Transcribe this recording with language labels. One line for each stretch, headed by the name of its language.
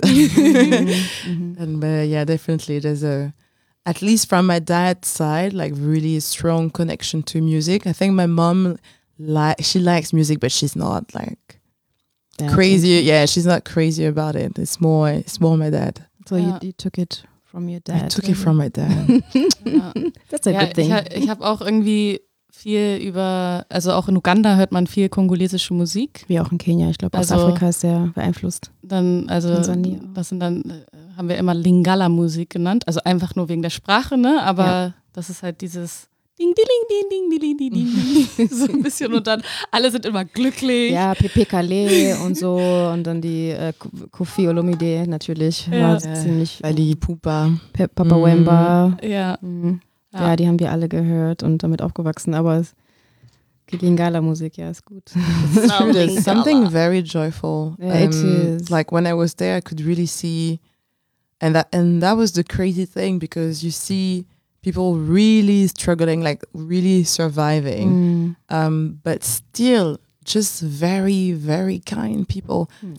English: Mm-hmm. And yeah, definitely there's a, at least from my dad's side, like really strong connection to music. I think my mom she likes music, but she's not like crazy. Yeah, she's not crazy about it. It's more my dad. So you took it from your dad. I took it from my dad. Yeah. That's a good thing.
German: Ich habe auch irgendwie viel über, also auch in Uganda hört man viel kongolesische Musik. Wie auch in Kenia, ich glaube, Ostafrika ist sehr beeinflusst. Dann, also, das sind dann, haben wir immer Lingala-Musik genannt, also einfach nur wegen der Sprache, ne? Aber das ist halt dieses Ding, ding, ding, ding, ding, ding, ding, ding, so ein bisschen und dann alle sind immer glücklich. Ja, Pepe Kale und so und dann die Kofi Olomide natürlich. Ja, ziemlich. Ali Pupa. Papa Wemba. Ja. Ja, die haben wir alle gehört und damit aufgewachsen, aber Lingala-Musik, ja, ist gut.
English: Something very joyful. Yeah, it is. Like when I was there, I could really see, and that was the crazy thing, because you see people really struggling, like really surviving, but still just very, very kind people.